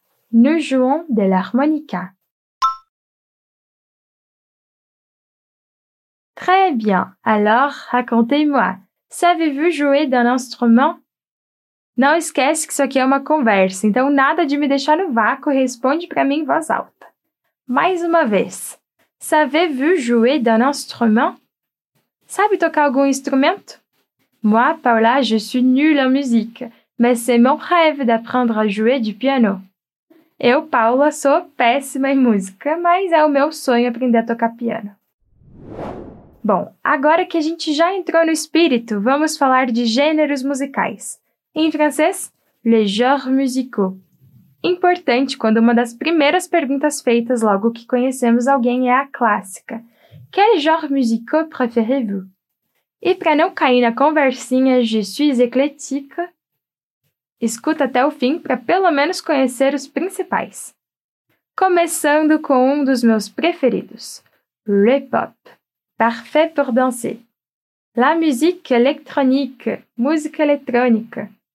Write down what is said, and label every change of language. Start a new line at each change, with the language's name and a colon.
French: Nous jouons de l'harmonica. Très bien. Alors, racontez-moi. Savez-vous jouer d'un instrument?
Portuguese: Não esquece que isso aqui é uma conversa, então nada de me deixar no vácuo, responde para mim em voz alta. Mais uma vez.
French: Savez-vous jouer d'un instrument?
Portuguese: Sabe tocar algum instrumento?
French: Moi, Paula, je suis nulle en musique, mais c'est mon rêve d'apprendre à jouer du piano.
Portuguese: Eu, Paula, sou péssima em música, mas é o meu sonho aprender a tocar piano. Bom, agora que a gente já entrou no espírito, vamos falar de gêneros musicais. Em francês,
French: les genres musicaux.
Portuguese: Importante quando uma das primeiras perguntas feitas logo que conhecemos alguém é a clássica.
French: Quel genre musical préférez-vous?
Portuguese: E para não cair na conversinha
French: je suis éclectique,
Portuguese: escuta até o fim para pelo menos conhecer os principais. Começando com um dos meus preferidos, le pop.
French: Parfait pour danser. La musique électronique,
Portuguese: música eletrônica.